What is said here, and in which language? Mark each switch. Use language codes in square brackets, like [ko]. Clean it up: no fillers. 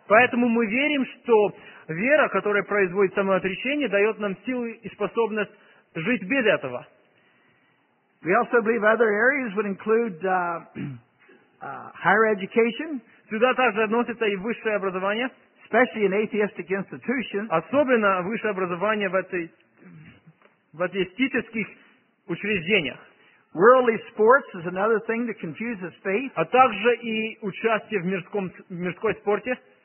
[ru] Поэтому мы верим, что вера, которая производит самоотречение, дает нам силу и способность жить без этого. [en] We also believe other areas would include higher education. [ru] Сюда также относится и высшее образование. [en] Especially in atheistic institutions. [ru] Особенно высшее образование в атеистических учреждениях. [en] Worldly sports is another thing that confuses faith. [ru] А также и участие в мирском спорте.